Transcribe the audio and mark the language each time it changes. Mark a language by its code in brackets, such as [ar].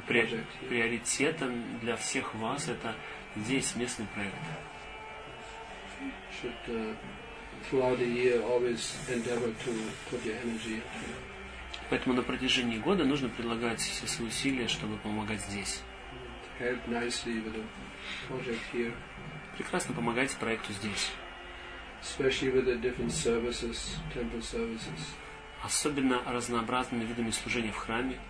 [ru] приоритетом для всех вас это здесь местный проект. [en] Should throughout the year always endeavor to put your energy into. [ru] Поэтому на протяжении года нужно прилагать все свои усилия, чтобы помогать здесь. [en] Help nicely with the project here. [ru] Прекрасно помогать проекту здесь. [en] Especially with the different services, temple services. [ru] Особенно разнообразными видами служения в храме.